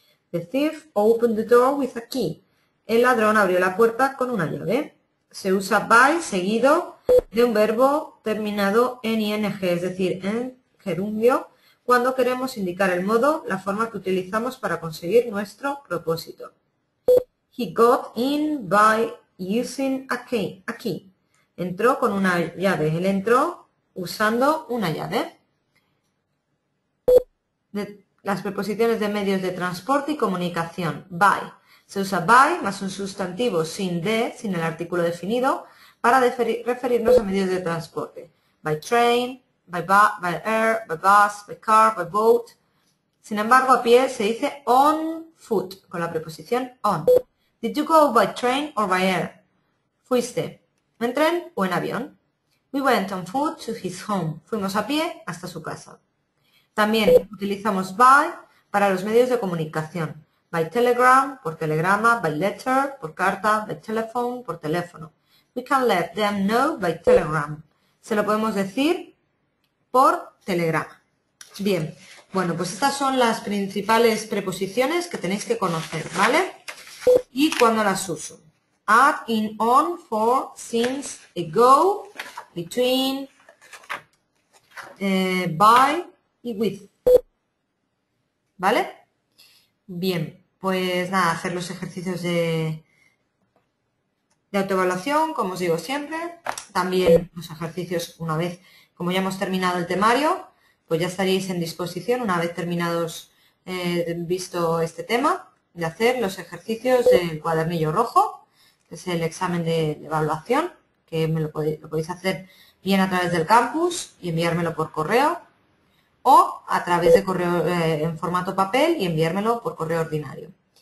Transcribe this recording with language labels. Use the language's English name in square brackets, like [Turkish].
[English] The thief opened the door with a key. [Spanish] El ladrón abrió la puerta con una llave. Se usa by seguido de un verbo terminado en ing, es decir, en gerundio, cuando queremos indicar el modo, la forma que utilizamos para conseguir nuestro propósito. [English] He got in by using a key. [Spanish] Entró con una llave. Él entró usando una llave. Las preposiciones de medios de transporte y comunicación. By. Se usa by más un sustantivo sin de, sin el artículo definido, para referirnos a medios de transporte. By train, by air, by bus, by car, by boat. Sin embargo, a pie se dice on foot, con la preposición on. [English] Did you go by train or by air? [Spanish] ¿Fuiste en tren o en avión? [English] We went on foot to his home. [Spanish] Fuimos a pie hasta su casa. También utilizamos by para los medios de comunicación. By telegram, por telegrama, by letter, por carta, by telephone, por teléfono. [English] We can let them know by telegram. [Spanish] Se lo podemos decir por telegrama. Bien, bueno, pues estas son las principales preposiciones que tenéis que conocer, ¿vale? ¿Y cuándo las uso? At, in, on, for, since, ago, between, by y with. ¿Vale? Bien, pues nada, hacer los ejercicios de autoevaluación, como os digo siempre. También los ejercicios, una vez, como ya hemos terminado el temario, pues ya estaréis en disposición, una vez terminados, visto este tema, de hacer los ejercicios del cuadernillo rojo, que es el examen de evaluación, que me lo podéis hacer bien a través del campus y enviármelo por correo, o a través de correo en formato papel y enviármelo por correo ordinario.